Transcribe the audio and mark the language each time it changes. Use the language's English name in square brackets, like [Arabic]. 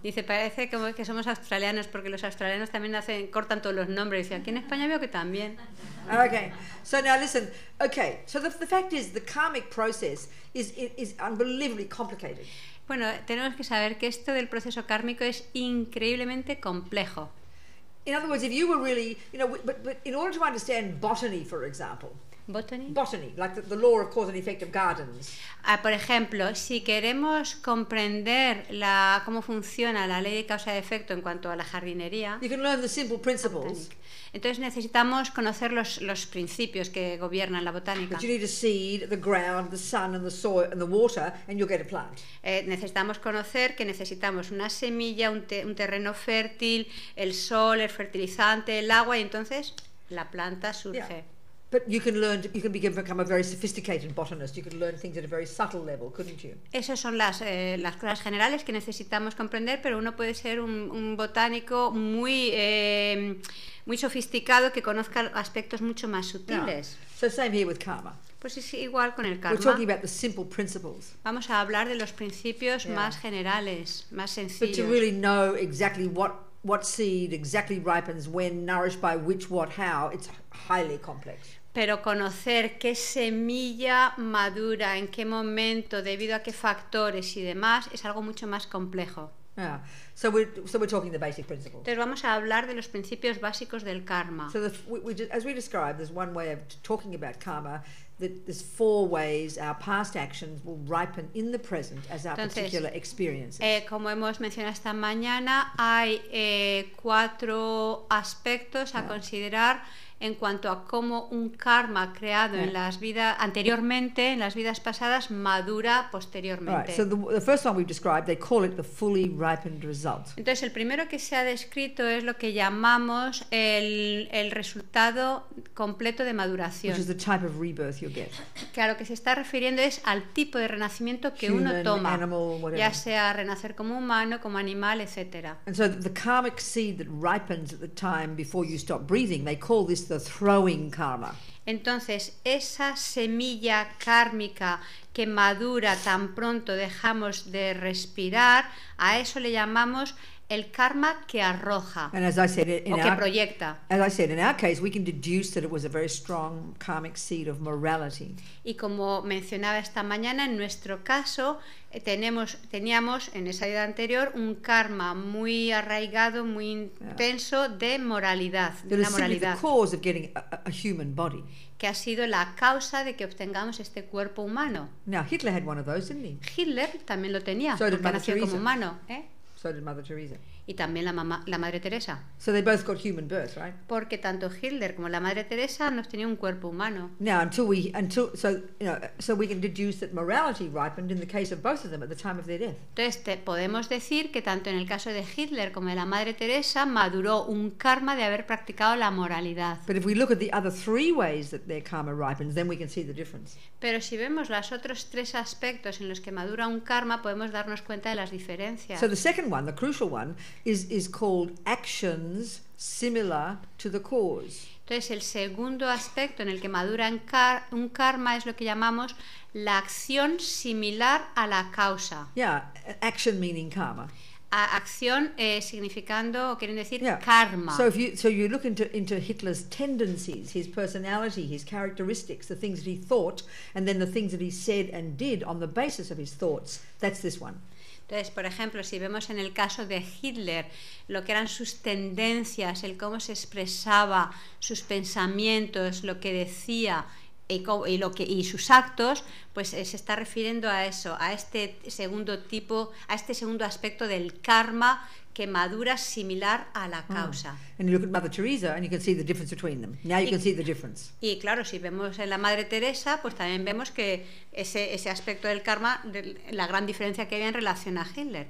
[Spanish] Dice, parece como que somos australianos porque los australianos también hacen, cortan todos los nombres. Dice, aquí en España veo que también. [English] Okay. So now listen. Okay. So the fact is, the karmic process is unbelievably complicated. [Spanish] Bueno, tenemos que saber que esto del proceso kármico es increíblemente complejo. [English] In other words, if you were really, you know, but in order to understand botany, for example. Botany, like the law of cause and effect of gardens. [Spanish] Por ejemplo, si queremos comprender la cómo funciona la ley de causa y efecto en cuanto a la jardinería. [English] You can learn the simple principles. [Spanish] Entonces necesitamos conocer los principios que gobiernan la botánica. [English] But you need a seed, the ground, the sun and the soil and the water and you'll get a plant. [Spanish] Necesitamos conocer que necesitamos una semilla, un terreno fértil, el sol, el fertilizante, el agua y entonces la planta surge. [English] Yeah. But you can learn, you can become a very sophisticated botanist. You could learn things at a very subtle level, couldn't you? [Spanish] Esas son las cosas generales que necesitamos comprender, pero uno puede ser un botánico muy muy sofisticado que conozca aspectos mucho más sutiles. [English] Yeah. So same here with karma. [Spanish] Pues es igual con el karma. [English] We're talking about the simple principles. [Spanish] Vamos a hablar de los principios yeah. más generales, más sencillos. [English] But to really know exactly what seed exactly ripens when, nourished by which, what, how, it's highly complex. [Spanish] Pero conocer qué semilla madura, en qué momento, debido a qué factores y demás, es algo mucho más complejo. [English] Yeah. So we're talking the basic principles. [Spanish] Entonces vamos a hablar de los principios básicos del karma. [English] So as we described, there's one way of talking about karma, that there's four ways our past actions will ripen in the present as our [Spanish] Entonces, [English] particular experiences. [Spanish] Como hemos mencionado esta mañana, hay cuatro aspectos a yeah. considerar en cuanto a cómo un karma creado en las vidas anteriormente, en las vidas pasadas, madura posteriormente. [English] Right. So the first one we've described, they call it the fully ripened result. [Spanish] Entonces, el primero que se ha descrito es lo que llamamos el resultado completo de maduración. [English] Which is the type of rebirth you get. [Spanish] Que a lo que se está refiriendo es al tipo de renacimiento que [English] Human, [Spanish] uno toma, [English] animal, whatever. [Spanish] Ya sea renacer como humano, como animal, etc. [English] And so the karmic seed that ripens at the time before you stop breathing, they call this the throwing karma. [Spanish] Entonces, esa semilla kármica que madura tan pronto dejamos de respirar, a eso le llamamos el karma que arroja proyecta. [English] As I said, in our case, we can deduce that it was a very strong karmic seed of morality. [Spanish] Y como mencionaba esta mañana, en nuestro caso teníamos en esa vida anterior un karma muy arraigado, muy intenso de moralidad, de la moralidad. [English] The cause of getting a human body. [Spanish] Que ha sido la causa de que obtengamos este cuerpo humano. [English] Now Hitler had one of those, didn't he? [Spanish] Hitler también lo tenía. [English] So [Spanish] porque nació como humano, [English] So did Mother Teresa. [Spanish] Y también la Madre Teresa. [English] So they both got human birth, right? [Spanish] Porque tanto Hitler como la Madre Teresa nos tenían un cuerpo humano. [English] Now until we can deduce that morality ripened in the case of both of them at the time of their death. [Spanish] Entonces podemos decir que tanto en el caso de Hitler como de la Madre Teresa maduró un karma de haber practicado la moralidad. [English] But if we look at the other three ways that their karma ripens, then we can see the difference. [Spanish] Pero si vemos los otros tres aspectos en los que madura un karma, podemos darnos cuenta de las diferencias. [English] So the second one, the crucial one, is called actions similar to the cause. [Spanish] Entonces, el segundo aspecto en el que madura un karma es lo que llamamos la acción similar a la causa. [English] Yeah, action meaning karma. [Spanish] Acción significando o quieren decir yeah. karma. [English] So if you look into Hitler's tendencies, his personality, his characteristics, the things that he thought and then the things that he said and did on the basis of his thoughts, that's this one. [Spanish] Entonces, por ejemplo, si vemos en el caso de Hitler lo que eran sus tendencias, el cómo se expresaba, sus pensamientos, lo que decía y sus actos, pues se está refiriendo a eso, a este segundo tipo, a este segundo aspecto del karma que madura similar a la causa. [English] And you look at Mother Teresa and you can see the difference between them. Now you can see the difference. [Spanish] Y claro, si vemos en la Madre Teresa, pues también vemos que ese aspecto del karma, la gran diferencia que había en relación a Hitler.